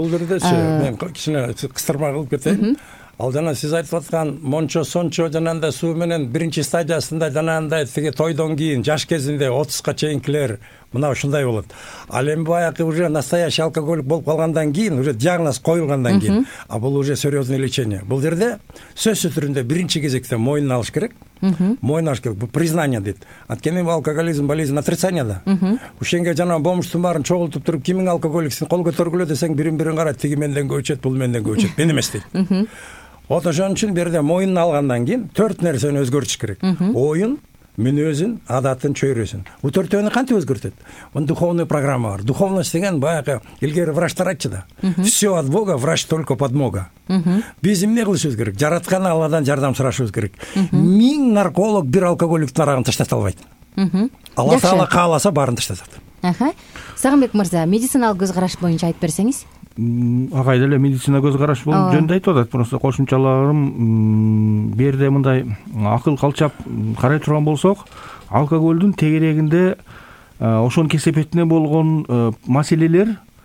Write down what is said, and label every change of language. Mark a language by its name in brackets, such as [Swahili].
[Kyrgyz] Жок, бул жерде мен кичине кыстырма кылып кетейин. Ал жана сиз айтып аткан мончо, сончо жанагындай суу менен биринчи стадиясында жанагындай тиги тойдон кийин жаш кезинде 30га чейинкилер мына ушундай болот. Ал эми баягы уже настоящий алкоголик болуп калгандан кийин, уже диагноз коюлгандан кийин, а бул уже [Russian] серьезный лечение. [Kyrgyz] Бул жерде сөзсүз түрүндө биринчи кезекте мойнуна алыш керек. Мойнуна алыш керек, бул признание дейт. Анткени бул алкоголизм [Russian] болезнь отрицания [Kyrgyz] да. Ошенге жанагы бомуштун баарын чогултуп туруп, кимиң алкоголиксин, кол көтөргүлө десең, бирин бирин карайт, тиги менден көчөт, бул менден көчөт, мен эмес дейт. Вот ошон үчүн бирде мойнуна алгандан кийин 4 нерсени өзгөртүш керек. Оюн, мүнөзүн, адатын, чөйрөсүн. Бул төртөөнү кантип өзгөртөт? Бул духовный программа бар. Духовность деген баягы илгери врачтар айтчу да. [Russian] Все от Бога, врач только подмога. [Kyrgyz] Биз эмне кылышыбыз керек? Жараткан Алладан жардам сурашыбыз керек. Миң нарколог бир алкоголиктин арагын таштата албайт. Алла Таала кааласа баарын таштатат. Сагымбек мырза, медициналык көз караш боюнча айтып берсеңиз. Агай деле медицина көз караш болуп жөнүндө айтып атат. Просто кошумчаларым, берде мындай акыл калчап карай турган болсок, алкоголдун тегерегинде ошонун кесепетине болгон маселелер